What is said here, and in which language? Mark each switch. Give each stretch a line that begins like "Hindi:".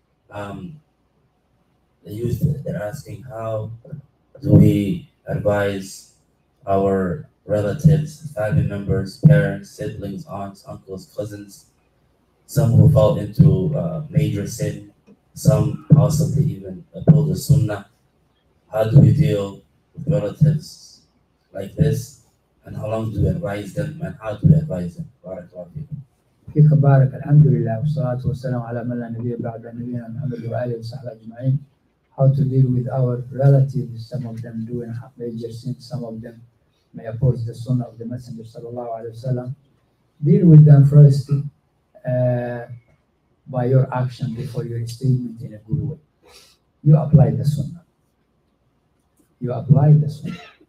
English: The youth, they're asking, how do we advise our relatives, family members, parents, siblings, aunts, uncles, cousins, some who fall into major sin, some possibly even uphold the sunnah? How do we deal with relatives like this? And how long do we advise them? And how do we advise them?
Arabic: Barakallahu fiikum. فيك بارك الحمد لله والصلاة والسلام على من لا نبي بعد نبينا محمد وعلى وصحبه أجمعين.
English: How to deal with our relatives, some of them doing major sins, some of them may oppose the sunnah of the Messenger صلى الله عليه وسلم. Deal with them first by your action before your statement in a good way. You apply the sunnah. You apply the sunnah.